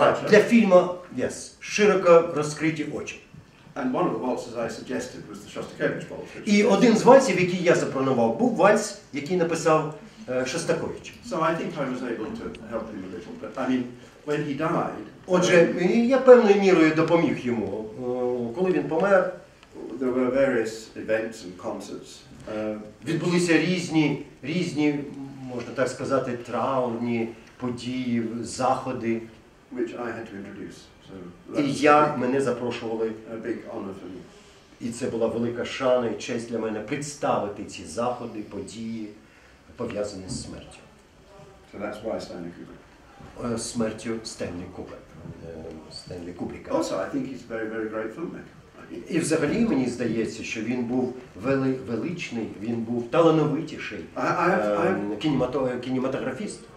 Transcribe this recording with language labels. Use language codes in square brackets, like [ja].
[uk] Для фільму, yes, широко розкриті очі. [en] And one of the waltzes I suggested was the Шостакович waltz. [uk] І один з вальсів, який я запропонував, був вальс, який написав Шостакович. [en] So I think I was able to help him a little, but I mean, when he died... [uk] Отже, я певною мірою допоміг йому. Коли він помер... [en] There were various events and concerts. [uk] Відбулися різні, можна так сказати, травні події, заходи. [en] Which I had to introduce. So [uk] мене запрошували. [en] A big honor for me. [uk] І це була велика шана і честь для мене представити ці заходи, події, пов'язані з смертю. [en] So that's why Stanley Kubrick. [uk] Смертю Стенлі Кубрика. Стенлі Кубрика. [en] Also, I think he's a very, very great filmmaker. [uk] І взагалі мені здається, що він був величний, він був талановитіший кінематографіст.